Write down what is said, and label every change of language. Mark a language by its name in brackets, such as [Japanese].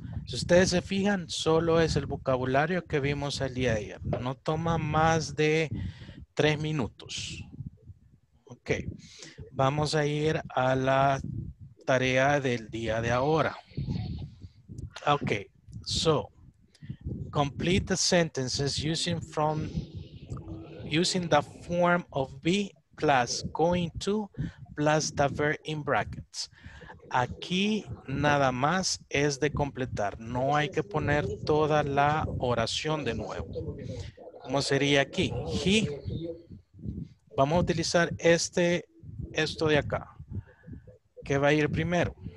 [Spanish] Si ustedes se fijan, solo es el vocabulario que vimos el día de ayer. No toma más de 3 minutos. Ok. Vamos a ir a la tarea del día de ahora. Ok. [English] So, complete the sentences using the form of be plus going to plus the verb in brackets. [Spanish] Aquí nada más es de completar. No hay que poner toda la oración de nuevo. ¿Cómo sería aquí? He. Vamos a utilizar esto de acá. ¿Qué va a ir primero?